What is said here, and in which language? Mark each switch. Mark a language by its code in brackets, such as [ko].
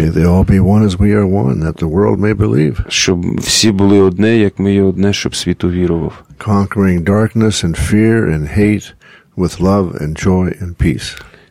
[en] May they all be one as we are one, that the world may believe. [uk] Щоб всі були одне, як ми є одне, щоб світ увірував. [en] Conquering darkness and fear and hate with love and joy and peace.